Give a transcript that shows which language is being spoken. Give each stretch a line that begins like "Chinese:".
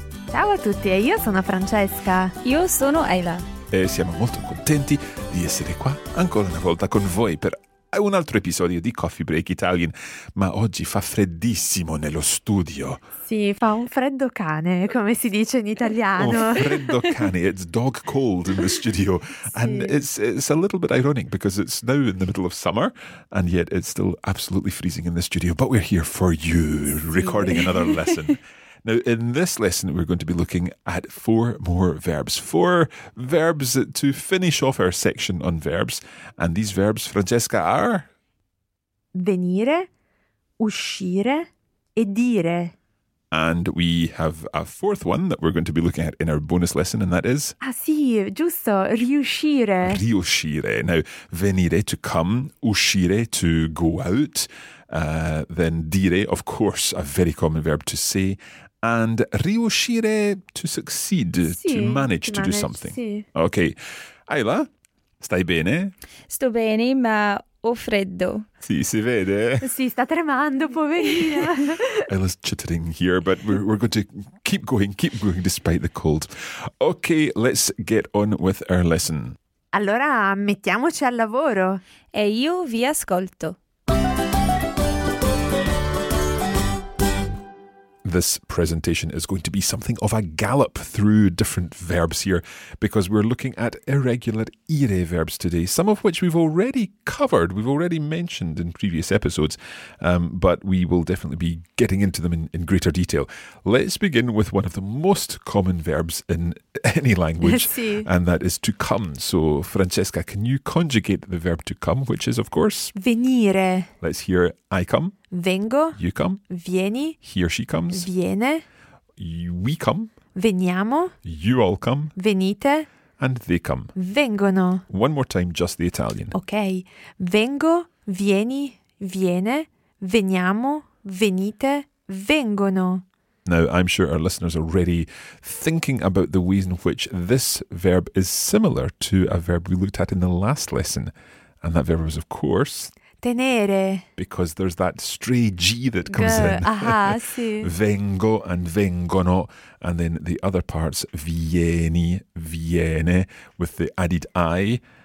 Italian: Ciao a tutti e io sono Francesca. Io sono Ayla. E siamo molto contenti di essere qua ancora una volta con voi per un altro episodio di Coffee Break Italian, ma oggi fa freddissimo nello studio. Sì, fa un freddo cane, come si dice in italiano. Un freddo cane,
English: it's dog cold in the studio. Sì. And it's a little bit ironic because it's now in the middle of summer and yet it's still absolutely freezing in the studio. But we're here for you, recording sì. Another lesson. Now, in this lesson, we're going to be looking at four more verbs. Four verbs to finish off our section on verbs. And these verbs, Francesca, are?
Italian: Venire, uscire, e dire.
English: And we have a fourth one that we're going to be looking at in our bonus lesson, and that is?
Italian: Ah, sì, giusto, riuscire. Riuscire.
English: Now, venire, to come, uscire, to go out. Then dire, of course, a very common verb to say. And riuscire, to succeed,
Italian: sì,
English: to manage to do something.
Italian: Sì. Okay. Ayla, stai bene? Sto bene, ma ho freddo. Sì, si vede? Sì, sta tremando, poverina.
English: Ayla's chittering here, but we're going to keep going despite the cold. Okay, let's get on with our lesson.
Italian: Allora, mettiamoci al lavoro. E io vi ascolto.
English: This presentation is going to be something of a gallop through different verbs here because we're looking at irregular ire verbs today, some of which we've already covered, we've already mentioned in previous episodes, but we will definitely be getting into them in greater detail. Let's begin with one of the most common verbs in any language,
Italian: sí.
English: And that is to come. So, Francesca, can you conjugate the verb to come, which is, of course?
Italian: Venire.
English: Let's hear I come.
Italian: Vengo.
English: You come.
Italian: Vieni.
English: He or she comes.
Italian: Viene.
English: We come.
Italian: Veniamo.
English: You all come.
Italian: Venite.
English: And they come.
Italian: Vengono.
English: One more time, just the Italian. Okay.
Italian: Vengo, vieni, viene, veniamo, venite, vengono.
English: Now, I'm sure our listeners are already thinking about the ways in which this verb is similar to a verb we looked at in the last lesson. And that verb was, of course...
Italian: Tenere.
English: Because there's that stray G that comes Good. In.
Italian: sì.
English: Vengo and vengono. And then the other parts, vieni, viene, with the added I.